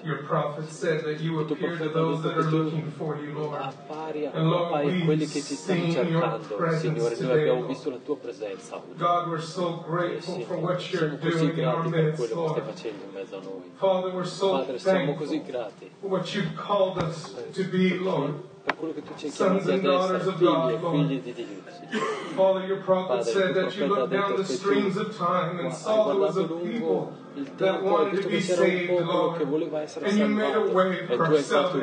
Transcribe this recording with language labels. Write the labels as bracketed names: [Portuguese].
[English] Your prophet said that you appear to those that are looking for you, Lord. [Italian] Appari a quelli che ti stanno cercando, Signore. Noi abbiamo visto la tua presenza. [English] God, we're so grateful for what you're doing in our midst, Lord. Father, we're so grateful for what you've called us to be, Lord. [Italian] Per quello che tu ci hai chiamato ad essere figli e figli di Dio. [English] Father, your prophet said that you looked down the streams of time and saw those of people that wanted to be saved, Lord, and you made a way for our salvation.